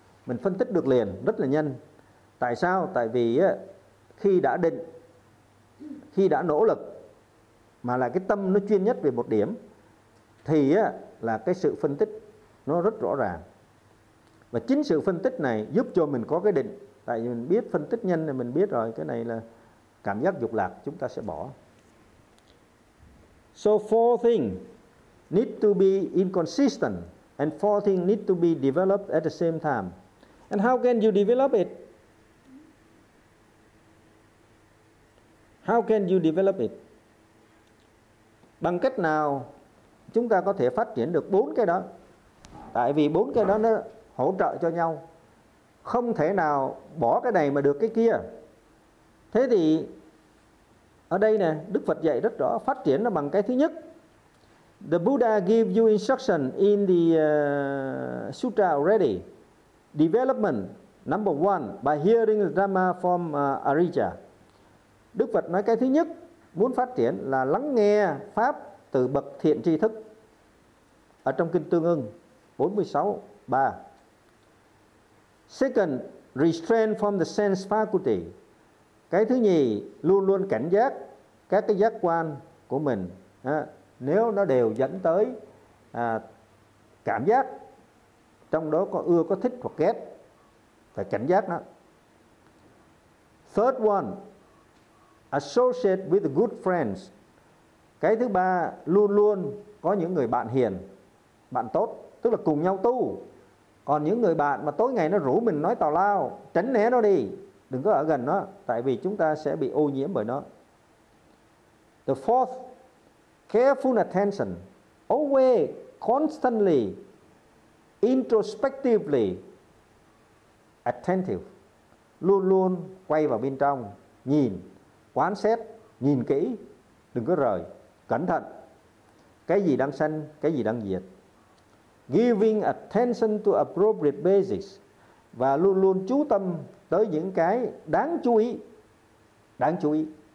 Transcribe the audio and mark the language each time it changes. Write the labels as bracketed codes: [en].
[vi] Mình phân tích được liền, rất là nhanh. Tại sao? Tại vì khi đã định, khi đã nỗ lực mà là cái tâm nó chuyên nhất về một điểm thì là cái sự phân tích nó rất rõ ràng. Và chính sự phân tích này giúp cho mình có cái định. Tại vì mình biết phân tích nhanh thì mình biết rồi, cái này là cảm giác dục lạc, chúng ta sẽ bỏ. [en] So four things need to be inconsistent and four things need to be developed at the same time. And how can you develop it? How can you develop it? [vi] Bằng cách nào chúng ta có thể phát triển được bốn cái đó? Tại vì bốn cái đó nó hỗ trợ cho nhau. Không thể nào bỏ cái này mà được cái kia. Thế thì ở đây nè, Đức Phật dạy rất rõ, phát triển nó bằng cái thứ nhất. [en] The Buddha gave you instruction in the sutra already. Development number one by hearing the Dhamma from Ariya. [vi] Đức Phật nói cái thứ nhất muốn phát triển là lắng nghe pháp từ bậc thiện tri thức ở trong kinh Tương Ưng 46:3. [en] Second, restrain from the sense faculty. [vi] Cái thứ nhì, luôn luôn cảnh giác các cái giác quan của mình. Nếu nó đều dẫn tới cảm giác, trong đó có ưa, có thích hoặc ghét, phải cảnh giác nó. [en] Third one, associate with good friends. [vi] Cái thứ ba, luôn luôn có những người bạn hiền, bạn tốt, tức là cùng nhau tu. Còn những người bạn mà tối ngày nó rủ mình nói tào lao, tránh né nó đi, đừng có ở gần nó, tại vì chúng ta sẽ bị ô nhiễm bởi nó. [en] The fourth, careful attention, always, constantly, introspectively, attentive. [vi] Luôn luôn quay vào bên trong, nhìn, quán xét, nhìn kỹ, đừng có rời, cẩn thận. Cái gì đang sanh, cái gì đang diệt. [en] Giving attention to appropriate basics. [vi] Và luôn luôn chú tâm tới những cái đáng chú ý. Đáng chú ý.